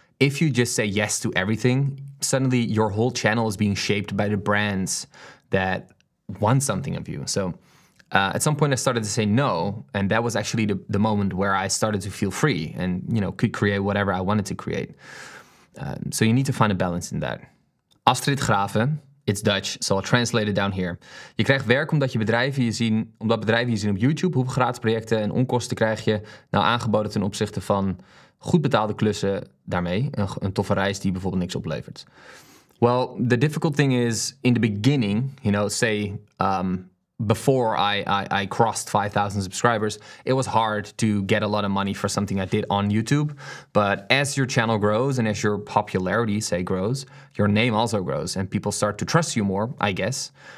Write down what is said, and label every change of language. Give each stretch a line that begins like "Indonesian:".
English: if you just say yes to everything, suddenly your whole channel is being shaped by the brands that want something of you. So at some point I started to say no, and that was actually the moment where I started to feel free and, you know, could create whatever I wanted to create. So you need to find a balance in that. Astrid Graven, it's Dutch, so I'll translate it down here.
Dutch: Je krijgt werk omdat bedrijven je zien op YouTube. Hoeveel gratis projecten en onkosten krijg je nou aangeboden ten opzichte van goed betaalde klussen daarmee? Een toffe reis die bijvoorbeeld niks oplevert.
English: Well, the difficult thing is, in the beginning, you know, say, before I crossed 5,000 subscribers, it was hard to get a lot of money for something I did on YouTube. But as your channel grows and as your popularity, say, grows, your name also grows and people start to trust you more, I guess.